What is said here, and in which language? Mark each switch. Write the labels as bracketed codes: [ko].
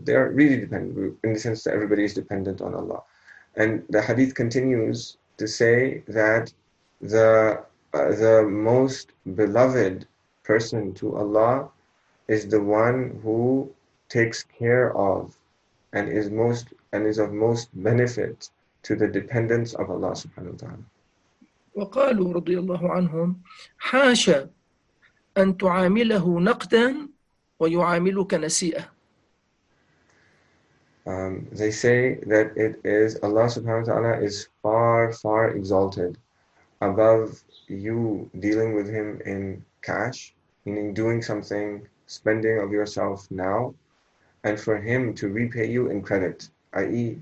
[en] They are really dependent in the sense that everybody is dependent on Allah. And the hadith continues to say that the most beloved person to Allah is the one who takes care of and is of most benefit to the dependents of Allah subhanahu wa ta'ala. [ar] وقالوا رضي الله عنهم حاشا أن تعامله نقدا ويعاملك نسيئة. [en] They say that it is Allah subhanahu wa ta'ala is far, far exalted above you dealing with him in cash, meaning doing something, spending of yourself now, and for him to repay you in credit, i.e.